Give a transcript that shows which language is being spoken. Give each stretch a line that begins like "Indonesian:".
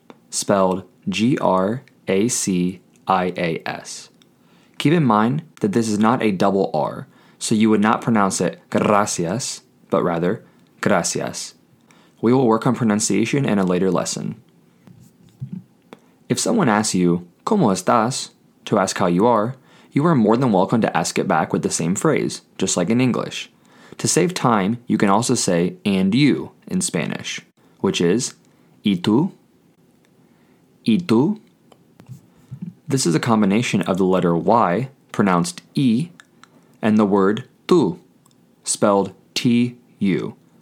English: Spelled G-R-A-C-I-A-S. Keep in mind that this is not a double R, so you would not pronounce it gracias, but rather gracias. We will work on pronunciation in a later lesson. If someone asks you,
Spanish: ¿cómo estás?
English: To ask how you are more than welcome to ask it back with the same phrase, just like in English. To save time, you can also say, and you, in Spanish, which is,
Spanish: ¿y tú? ¿Y tú?
English: This is a combination of the letter Y, pronounced E, and the word tú, spelled T-U.